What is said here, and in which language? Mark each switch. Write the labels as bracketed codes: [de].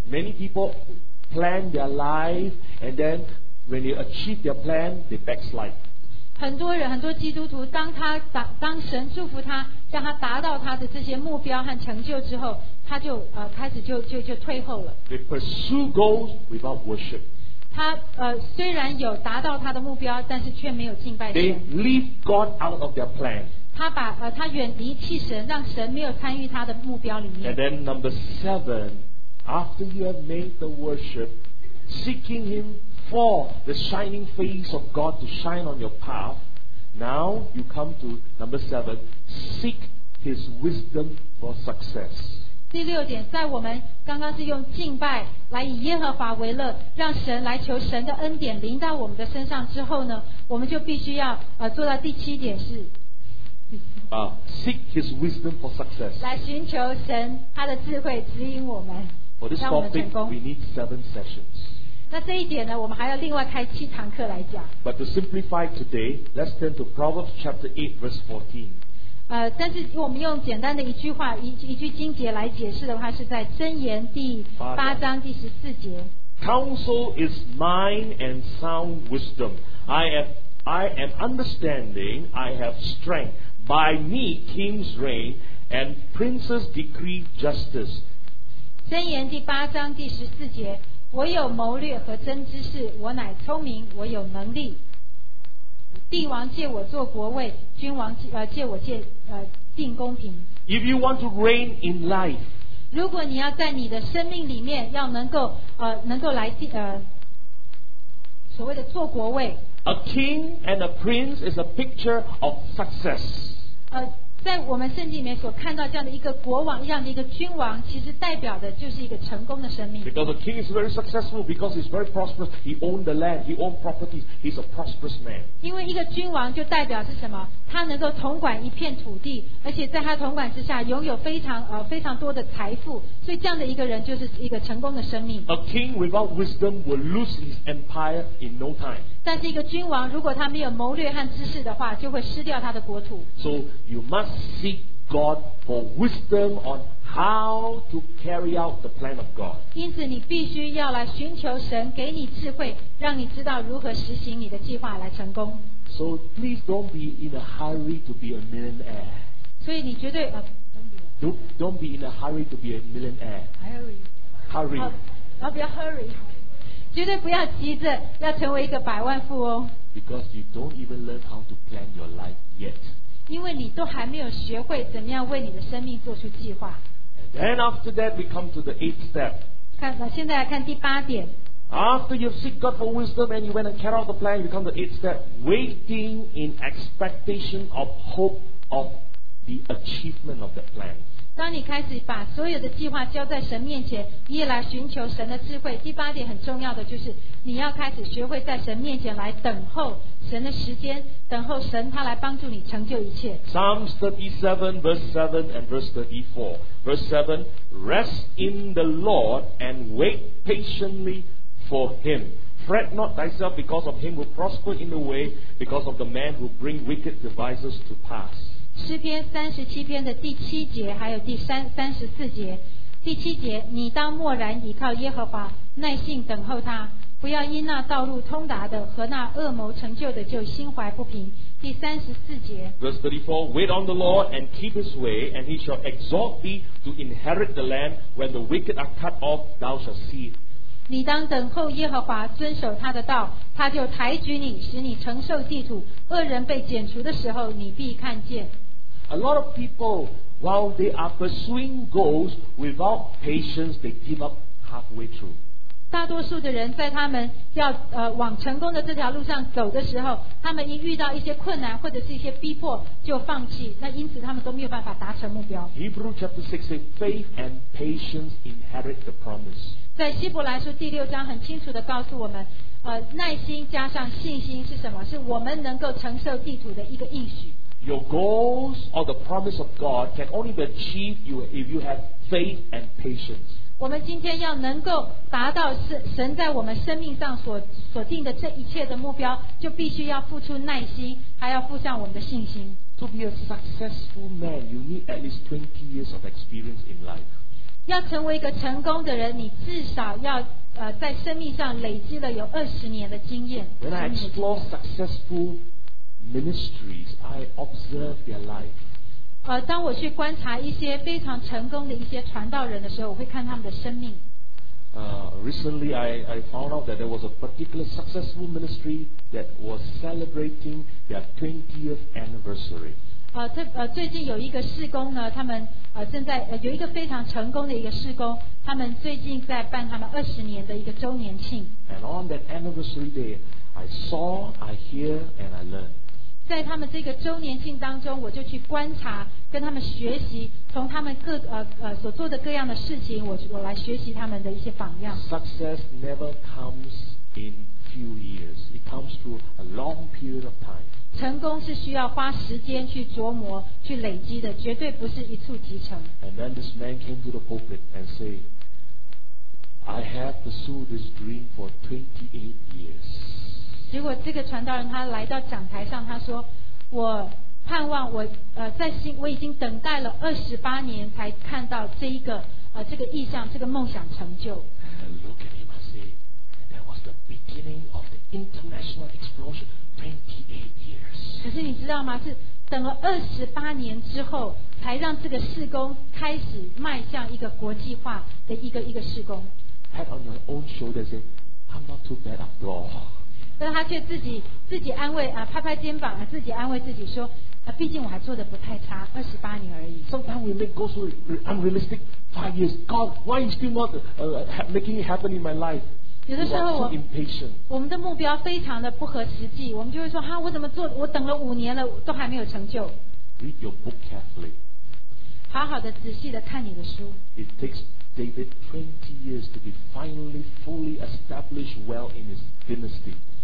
[en] Many people plan their life, and then when they achieve their plan, they backslide. [zh] 很多人很多基督徒当神祝福他叫他达到他的这些目标和成就之后他就、开始 就退后了 [en] They pursue goals without worship [zh] 他、虽然有达到他的目标但是却没有敬拜神 [en] They leave God out of their plan [zh] 他远离弃神让神没有参与他的目标里面 [en] And then number seven After you have made the worship Seeking himFor the shining face of God to shine on your path, now you come to number seven, seek His wisdom for success. [zh] 第六点，在我们刚刚是用敬拜来以耶和华为乐，让神来求神的恩典临到我们的身上之后呢，我们就必须要、做到第七点是。 [en] Seek His wisdom for success. [zh] 来寻求神他的智慧指引我们。 [en] For this topic, we need seven sessions. [zh] 那这一点呢我们还要另外开七堂课来讲 [en] But to simplify today Let's turn to Proverbs chapter 8 verse 14、 [zh] 但是我们用简单的一句话 一句经节来解释的话是在箴言第八章第十四节 [en] Counsel is mine and sound wisdom I am understanding I have strength By me kings reign And princes decree justice [zh] 箴言第八章第十四节我有谋略和真知识我乃聪明我有能力帝王借我做国位君王借我借定公平 [en] If you want to reign in life [zh] 如果你要在你的生命里面要能够来所谓的做国位 [en] A king and a prince is a picture of success [zh] 在我们圣经里面所看到这样的一个国王这样的一个君王其实代表的就是一个成功的生命 [en] because the king is very successful because he's very prosperous he owned the land he owned properties he's a prosperous man [zh] 因为一个君王就代表是什么他能够统管一片土地而且在他统管之下拥有非常多的财富所以这样的一个人就是一个成功的生命 [en] a king without wisdom will lose his empire in no time [zh] 但是一个君王如果他没有谋略和知识的话就会失掉他的国土 [en] so you mustseek God for wisdom on how to carry out the plan of God. [zh] 因此你必须要来寻求神给你智慧让你知道如何实行你的计划来成功。 [en] So please don't be in a hurry to be a millionaire. [zh] 所以你绝对、 [en] don't be in a hurry to be a millionaire. Hurry. Hurry. Not be a hurry. [zh] 绝对不要急着要成为一个百万富翁。 [en] Because you don't even learn how to plan your life yet. [zh] 因为你都还没有学会怎么样为你的生命做出计划。 [en] Then after that we come to the eighth step. [zh] 现在来看第八点。 [en] After you seek God for wisdom and you went and carried out the plan, you come to the eighth step, waiting in expectation of hope of the achievement of that plan. [zh] 当你开始把所有的计划交在神面前，你也来寻求神的智慧。第八点很重要的就是你要开始学会在神面前来等候。神的时间等候神他来帮助你成就一切 [en] Psalms 37 verse 7 and verse 34 verse 7 rest in the Lord and wait patiently for him fret not thyself because of him who prosper in the way because of the man who bring wicked devices to pass [zh] 诗篇37篇的第七节还有第34节第七节你当默然倚靠耶和华耐心等候他不要因那道路通达的和那恶谋成就的就心怀不平第三十四节 [en] Verse 34 Wait on the Lord and keep his way and he shall exalt thee to inherit the land when the wicked are cut off thou shalt see it [zh] 你当等候耶和华遵守他的道他就抬举你使你承受地土恶人被剪除的时候你必看见 [en] A lot of people while they are pursuing goals without patience they give up halfway through [zh] 大多数的人在他们要往成功的这条路上走的时候，他们一遇到一些困难或者是一些逼迫就放弃，那因此他们都没有办法达成目标。 [en] Hebrew chapter 6 says faith and patience inherit the promise. [zh] 在希伯来书第六章很清楚地告诉我们，耐心加上信心是什么？是我们能够承受地土的一个应许。 [en] Your goals or the promise of God can only be achieved if you have faith and patience. [zh] 我们今天要能够达到神在我们生命上所定的这一切的目标，就必须要付出耐心，还要付上我们的信心。 [en] To be a successful man, you need at least 20 years of experience in life. [zh] 要成为一个成功的人，你至少要在生命上累积了有20年的经验。 [en] When I explore successful ministries, I observe their life. [zh] 当我去观察一些非常成功的一些传道人的时候，我会看他们的生命。 [en] Recently, I found out that there was a particular successful ministry that was celebrating their 20th anniversary. [zh] 最近有一个事工呢，他们正在有一个非常成功的一个事工。他们最近在办他们20年的一个周年庆。 [en] And on that anniversary day, I saw, I hear, and I learned. [zh] 在他们这个周年庆当中，我就去观察，跟他们学习，从他们所做的各样的事情，我来学习他们的一些榜样。 [en] Success never comes in few years; it comes through a long period of time. [zh] 成功是需要花时间去琢磨、去累积的，绝对不是一蹴即成。 [en] And then this man came to the pulpit and said, "I have pursued this dream for 28 years." [zh] 结果这个传道人他来到讲台上，他说：“我盼望我在心，我已经等待了28年才看到这一个这个意向、这个梦想成就。” [en] And I look at him and say, "That was the beginning of the international explosion, 28 years." [zh] 可是你知道吗？是等了28年之后，才让这个事工开始迈向一个国际化的一个事工。 [en] Pat on your own shoulder, say, "I'm not too bad after all." [zh] 但他却自己安慰拍拍肩膀，自己安慰自己说，毕竟我还做得不太差，28年而已。 [en] Sometimes we make goals so unrealistic. 5 years, God, why you still not making it happen in my life? [zh] 有的时候我们的目标非常的不合实际，我们就会说哈，我怎么做，我等了5年了都还没有成就。 [en] Read your book carefully. [zh] 好好的仔细的看你的书。 [en] It takes David 20 years to be finally fully established well in his dynasty.